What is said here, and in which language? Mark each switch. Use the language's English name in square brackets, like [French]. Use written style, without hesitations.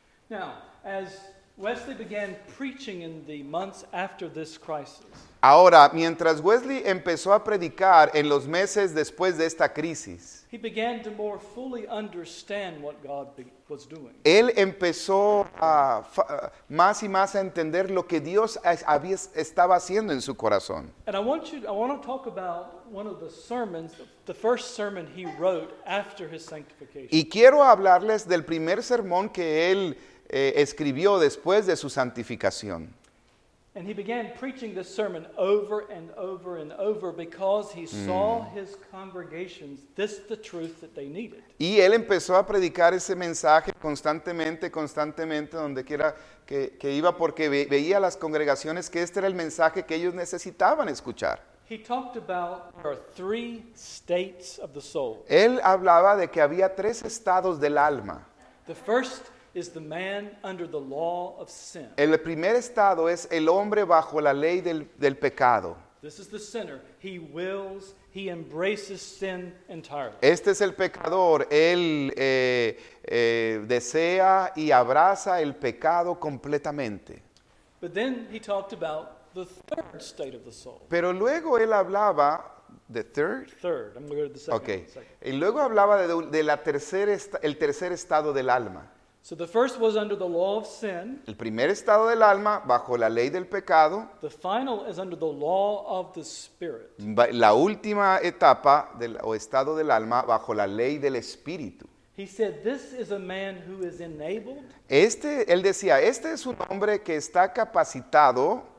[English] Now, as Wesley began preaching in the months after this crisis. [Spanish] Ahora, mientras Wesley empezó a predicar en los meses después de esta crisis. [English] He began to more fully understand what God was doing. [Spanish] Él empezó más y más a entender lo que Dios estaba haciendo en su corazón. [English] And I want to talk about one of the sermons, the first sermon he wrote after his sanctification. [Spanish] Y quiero hablarles del primer sermón que él escribió después de su santificación. [English] And he began preaching this sermon over and over and over because he saw his congregations, this the truth that they needed. [Spanish] Y él empezó a predicar ese mensaje constantemente, donde quiera que iba, porque veía a las congregaciones que este era el mensaje que ellos necesitaban escuchar. [English] He talked about there are three states of the soul. [Spanish] Él hablaba de que había tres estados del alma. [English] The first is the man under the law of sin. [Spanish] El primer estado es el hombre bajo la ley del pecado. [English] This is the sinner. He wills, he embraces sin entirely. [Spanish] Este es el pecador. Él desea y abraza el pecado completamente. [English] But then he talked about the third state of the soul. [Spanish] Pero luego él hablaba... [English] Third. I'm going to go to the second. Okay. Second. [Spanish] Y luego hablaba el tercer estado del alma. [English] So the first was under the law of sin. [Spanish] El primer estado del alma bajo la ley del pecado. [English] The final is under the law of the spirit. [Spanish] La última etapa o estado del alma bajo la ley del espíritu. [English] He said, "This is a man who is enabled." [Spanish] Él decía, este es un hombre que está capacitado